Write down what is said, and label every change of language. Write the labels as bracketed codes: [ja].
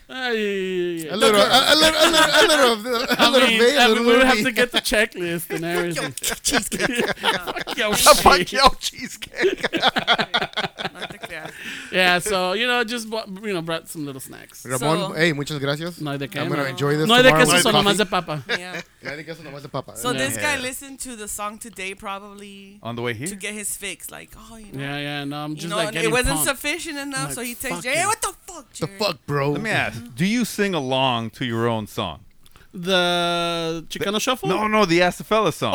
[en] A little. We would have to get the checklist and everything. Fuck your cheesecake. Yeah, so, you know, just brought some little snacks. Ramon, so, [es] hey, muchas gracias. No hay de qué. [en] I'm going to enjoy this. [es] No hay de queso, solo más de papa. [en] So, this guy listened to the song today, probably. On the way here? To get his fix. Like, oh, you know. Yeah, no, I'm just like getting it wasn't pumped. Sufficient enough, like, so he texted Jerry, what the fuck, Jerry? The fuck, bro? Let me ask, do you sing along to your own song? The Chicano Shuffle? No, the Ask the Fella song.